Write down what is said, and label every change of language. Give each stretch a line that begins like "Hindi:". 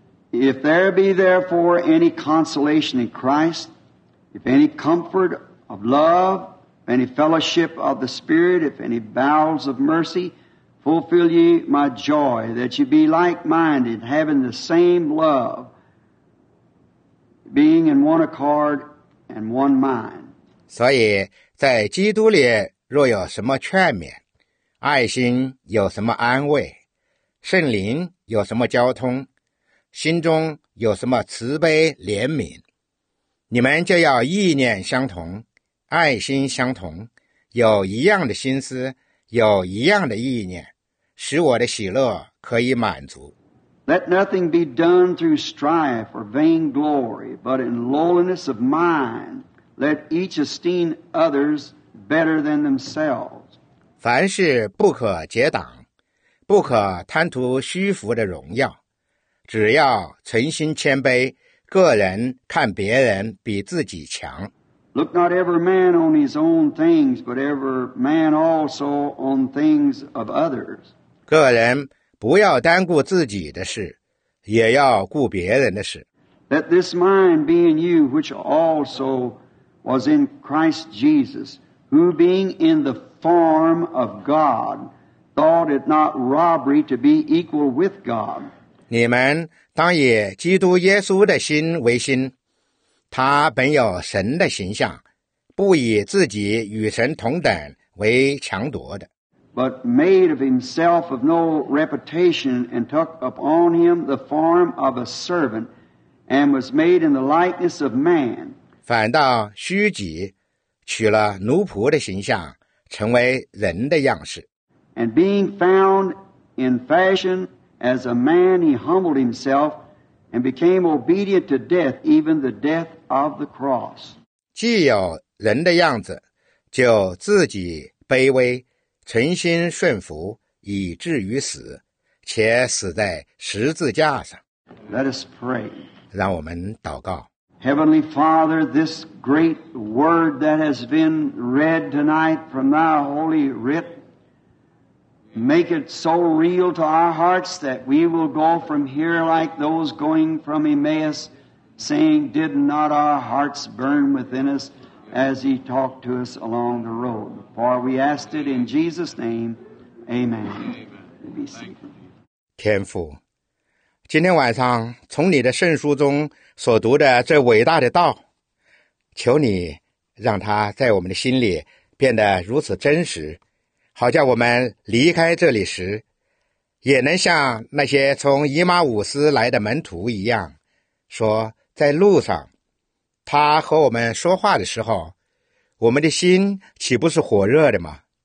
English: If there be therefore any consolation in Christ, if any comfort of love, if any fellowship of the Spirit, if any bowels of mercy, fulfill ye my joy, that ye be like-minded, having the same love, being in one accord and one mind.
Chinese: 所以在基督里若有什么劝勉，爱心有什么安慰，圣灵有什么交通，心中有什么慈悲怜悯，你们就要意念相同，爱心相同，有一样的心思，有一样的意念，使我的喜乐可以满足。
English: Let nothing be done through strife or vain glory, but in lowliness of mind, let each esteem others better than themselves.
Chinese: 凡事不可结党，不可贪图虚浮的荣耀，只要存心谦卑，个人看别人比自己强。
English: Look not every man on his own things, but every man also on things of others.
Chinese: 个人不要单顾自己的事，也要顾别人的事。
English: Let this mind be in you, which also was in Christ Jesus, who being in the form of God, thought it not robbery to be equal with God.
Chinese: 你们当以基督耶稣的心为心，他本有神的形象，不以自己与神同等为强夺的。
English: But made of himself of no reputation, and took upon him the form of a servant, and was made in the likeness of man.
Chinese: 反倒虚己，取了奴仆的形象，成为人的样式。
English: And being found in fashion as a man, he humbled himself, and became obedient to death, even the death of the cross.
Chinese: 既有人的样子，就自己卑微，存心顺服，以至于死，且死在十字架上。
English: Let us pray.
Chinese: 让我们祷告。
English: Heavenly Father, this great word that has been read tonight from thy holy writ, make it so real to our hearts that we will go from here like those going from Emmaus, saying, did not our hearts burn within us as he talked to us along the road? For we asked it in Jesus' name. Amen.
Chinese: Amen. 天父，今天晚上从你的圣书中所读的这伟大的道，求你让它在我们的心里变得如此真实，好叫我们离开这里时，也能像那些从以马忤斯来的门徒一样，说在路上，他和我们说话的时候，我们的心岂不是火热的吗？